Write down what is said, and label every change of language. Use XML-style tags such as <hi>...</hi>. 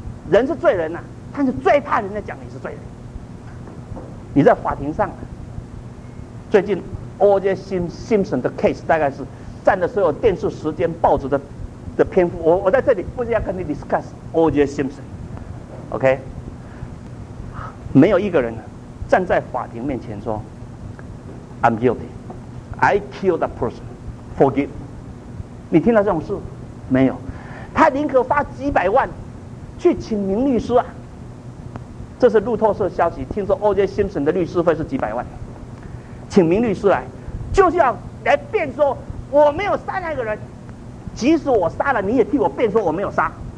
<zh>人是罪人呐，他是最怕人家讲你是罪人。你在法庭上，最近 OJ Simpson 的 case 大概是占了所有电视时间、报纸的篇幅。我在这里不是要跟你 discuss OJ Simpson， OK？没有一个人站在法庭面前说</zh> <en>I'm guilty， I killed that person， forgive。</en> <zh>你听到这种事没有？他宁可花几百万去请名律师啊。这是路透社消息，听说 OJ Simpson 的律师费是几百万，请名律师来，就是要来辩说我没有杀那个人，即使我杀了，你也替我辩说我没有杀。</zh>